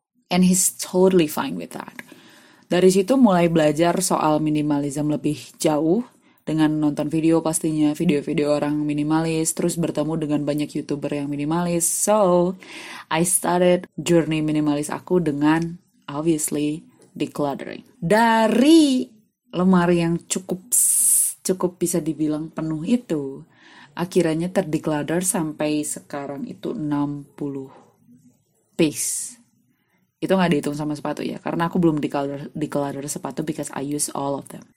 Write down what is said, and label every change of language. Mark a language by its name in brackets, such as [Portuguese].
[English] And he's totally fine with that. [Indonesian] Dari situ mulai belajar soal minimalisme lebih jauh dengan nonton video pastinya, video-video orang minimalis, terus bertemu dengan banyak YouTuber yang minimalis. [English] So, I started journey [Indonesian] minimalis aku dengan, [English] obviously, decluttering. [Indonesian] Dari lemari yang cukup cukup bisa dibilang penuh itu akhirnya terdeclutter sampai sekarang itu 60 piece. Itu gak dihitung sama sepatu ya, karena aku belum declutter sepatu [English] because I use all of them.